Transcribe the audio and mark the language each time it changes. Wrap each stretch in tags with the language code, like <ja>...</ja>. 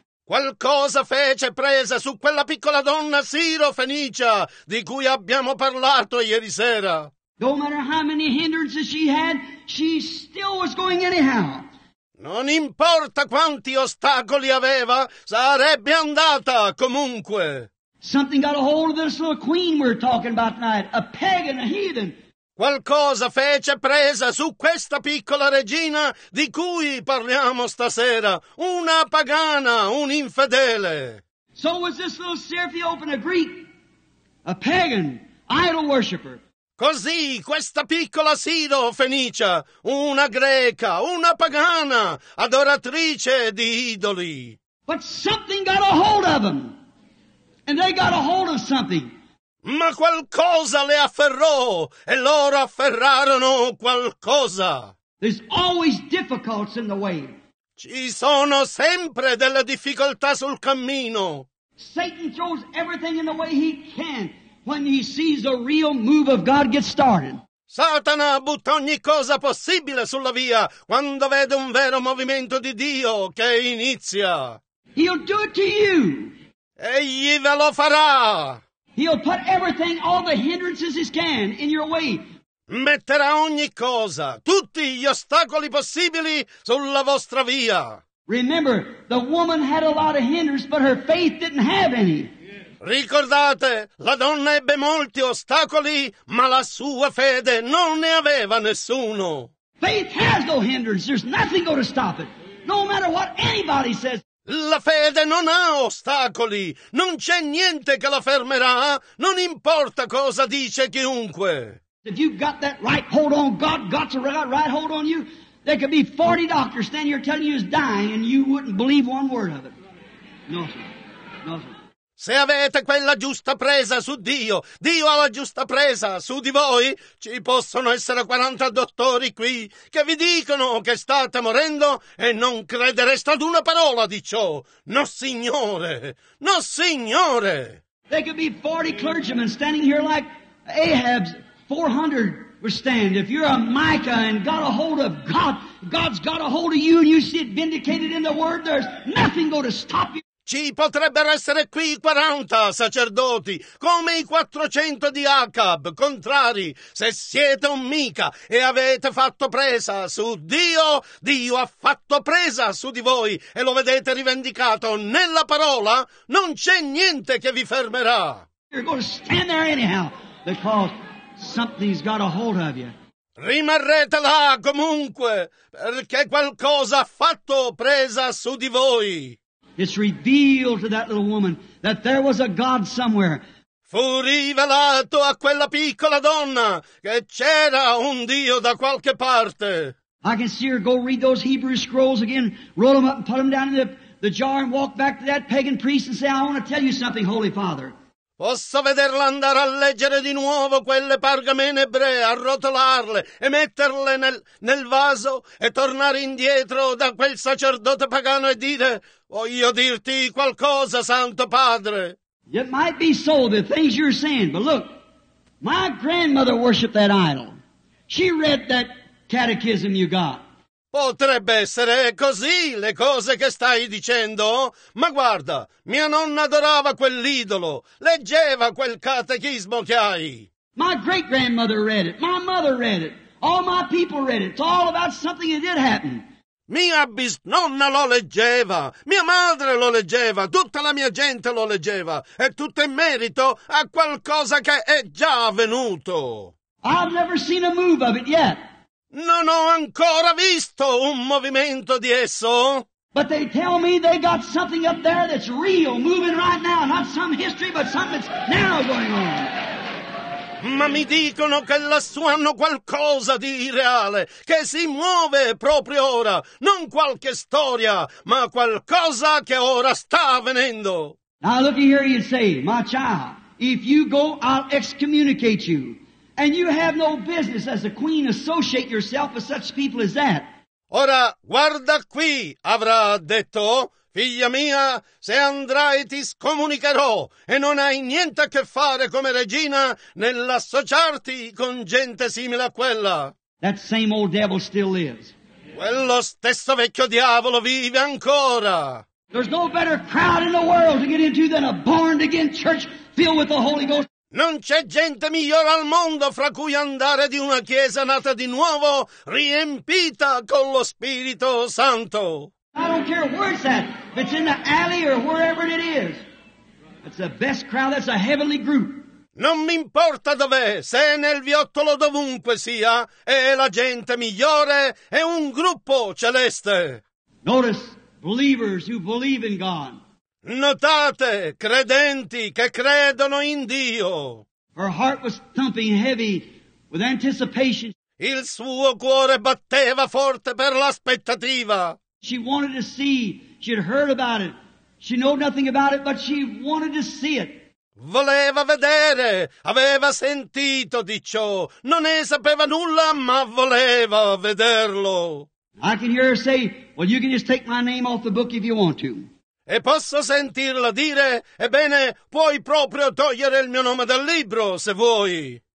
<it>Qualcosa fece presa su quella piccola donna sirofenicia di cui abbiamo parlato ieri sera.</it> <en>No matter how many hindrances she had, she still was going anyhow.</en> <it>Non importa quanti ostacoli aveva, sarebbe andata comunque.</it> <en>Something got a hold of this little queen we're talking about tonight, a pagan, a heathen.</en> <it>Qualcosa fece presa su questa piccola regina di cui parliamo stasera, una pagana, un infedele.</it> <en>So was this little Serapiopen a Greek, a pagan, idol worshipper.</en> <it>Così questa piccola Siro Fenicia, una greca, una pagana, adoratrice di idoli.</it> <en>But something got a hold of them, and they got a hold of something.</en> <it>Ma qualcosa le afferrò, e loro afferrarono qualcosa.</it> <en>There's always difficulties in the way.</en> <it>Ci sono sempre delle difficoltà sul cammino.</it> <en>Satan throws everything in the way he can when he sees the real move of God get started.</en> <it>Satana butta ogni cosa possibile sulla via quando vede un vero movimento di Dio che inizia.</it> <en>He'll do it to you.</en> <it>Egli ve lo farà.</it> <en>He'll put everything, all the hindrances he can, in your way.</en> <it>Metterà ogni cosa, tutti gli ostacoli possibili sulla vostra via.</it> <en>Remember, the woman had a lot of hindrances, but her faith didn't have any.</en> <it>Ricordate, la donna ebbe molti ostacoli, ma la sua fede non ne aveva nessuno.</it> <en>Faith has no hindrance. There's nothing going to stop it. No matter what anybody says.</en> <it>La fede non ha ostacoli, non c'è niente che la fermerà, non importa cosa dice chiunque.</it> <en>If you've got that right hold on, God got the right hold on you, there could be 40 doctors standing here telling you he's dying and you wouldn't believe one word of it. No, sir. No, sir.</en> <it>Se avete quella giusta presa su Dio, Dio ha la giusta presa su di voi, ci possono essere 40 dottori qui che vi dicono che state morendo e non credereste ad una parola di ciò. No, signore! No, signore!</it> <en>There could be 40 clergymen standing here like Ahab's 400 would stand. If you're a Micah and got a hold of God, God's got a hold of you and you see it vindicated in the Word, there's nothing going to stop you.</en> <it>Ci potrebbero essere qui 40 sacerdoti, come i 400 di Acab, contrari. Se siete un mica e avete fatto presa su Dio, Dio ha fatto presa su di voi e lo vedete rivendicato nella parola, non c'è niente che vi fermerà.</it> <en>You're going to stand there anyhow, because something's got a hold of you.</en> <it>Rimarrete là comunque, perché qualcosa ha fatto presa su di voi.</it> <en>It's revealed to that little woman that there was a God somewhere.</en> <it>Fu rivelato a quella piccola donna che c'era un Dio da qualche parte.</it> <en>I can see her go read those Hebrew scrolls again, roll them up and put them down in the jar and walk back to that pagan priest and say, I want to tell you something, Holy Father.</en> <it>Posso vederla andare a leggere di nuovo quelle pergamene ebree, arrotolarle e metterle nel vaso e tornare indietro da quel sacerdote pagano e dire, voglio dirti qualcosa, Santo Padre.</it> <en>It might be so, the things you're saying, but look, my grandmother worshipped that idol. She read that catechism you got.</en> <it>Potrebbe essere così le cose che stai dicendo, ma guarda, mia nonna adorava quell'idolo, leggeva quel catechismo che hai.</it> <en>My great grandmother read it, my mother read it, all my people read it. It's all about something that did happen.</en> <it>Mia bisnonna lo leggeva, mia madre lo leggeva, tutta la mia gente lo leggeva, e tutto in merito a qualcosa che è già avvenuto.</it> <en>I've never seen a move of it yet.</en> <it>Non ho ancora visto un movimento di esso.</it> <en>But they tell me they got something up there that's real, moving right now. Not some history, but something that's now going on.</en> <it>Ma mi dicono che lassù hanno qualcosa di reale, che si muove proprio ora. Non qualche storia, ma qualcosa che ora sta avvenendo.</it> <en>Now look here, you say, my child, if you go, I'll excommunicate you. And you have no business as a queen associate yourself with such people as that.</en> <it>Ora, guarda qui, avrà detto, figlia mia, se andrai ti scomunicherò e non hai niente a che fare come regina nell'associarti con gente simile a quella.</it> <en>That same old devil still lives.</en> <it>Quello stesso vecchio diavolo vive ancora.</it> <en>There's no better crowd in the world to get into than a born-again church filled with the Holy Ghost.</en> <it>Non c'è gente migliore al mondo fra cui andare di una chiesa nata di nuovo, riempita con lo Spirito Santo.</it> <en>I don't care where it's at, if it's in the alley or wherever it is. It's the best crowd, that's a heavenly group.</en> <it>Non mi importa dov'è, se è nel viottolo dovunque sia, è la gente migliore, è un gruppo celeste.</it> <en>Notice believers who believe in God.</en> <it>Notate, credenti che credono in Dio.</it> <en>Her heart was thumping heavy with anticipation.</en> <it>Il suo cuore batteva forte per l'aspettativa.</it> <en>She wanted to see, she had heard about it. She knew nothing about it, but she wanted to see it.</en> <it>Voleva vedere, aveva sentito di ciò. Non ne sapeva nulla, ma voleva vederlo.</it> <en>I can hear her say, well, you can just take my name off the book if you want to.</en> <it>E posso sentirla dire, ebbene, puoi proprio togliere il mio nome dal libro, se vuoi.</it>